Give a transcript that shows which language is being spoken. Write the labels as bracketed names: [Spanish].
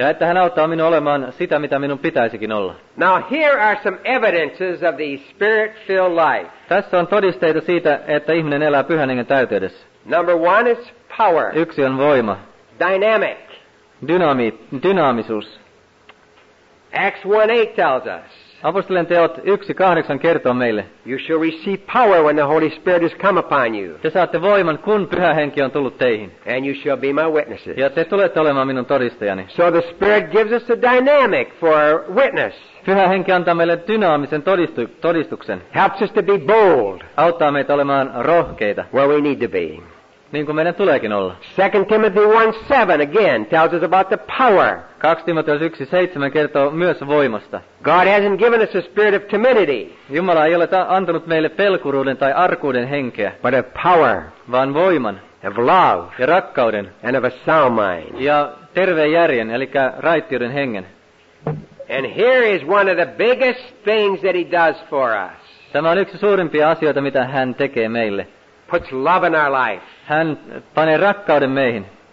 [Finnish] Ja että hän auttaa minun olemaan sitä, mitä minun pitäisikin olla. [English] Now here are some evidences of the Spirit-filled life. [Finnish] Tässä on todisteita siitä, että ihminen elää pyhän hengen täyteydessä. [English] Number one is power. [Finnish] Yksi on voima. [English] Dynamic. [Finnish] Dynaamisuus. [English] Acts 1:8 tells us. [Finnish] Apostolien teot 1:8 kertoo meille. [English] You shall receive power when the Holy Spirit has come upon you. [Finnish] Te saatte voiman, kun pyhä henki on tullut teihin. [English] And you shall be my witnesses. [Finnish] Ja te tulette olemaan minun todistajani. [English] So the Spirit gives us a dynamic for our witness. [Finnish] Pyhä henki antaa meille dynaamisen todistuksen. [English] Helps us to be bold. [Finnish] Auttaa meitä olemaan rohkeita. [English] Where we need to be. [Finnish] Niin kuin meidän tuleekin olla. [English] 2 Timothy 1:7 again tells us about the power. [Finnish] 2 Timoteus 1:7 kertoo myös voimasta. [English] God hasn't given us a spirit of timidity. [Finnish] Jumala ei ole antanut meille pelkuruuden tai arkuuden henkeä. [English] But of power. [Finnish] Vaan voiman. [English] Of love. [Finnish] Ja rakkauden. [English] And of a sound mind. [Finnish] Ja terveen järjen, eli raittiuden hengen. [English] And here is one of the biggest things that he does for us. [Finnish] Tämä on yksi suurimpia asioita, mitä hän tekee meille. [English] Puts love in our life. [Finnish] Hän panee rakkauden meihin.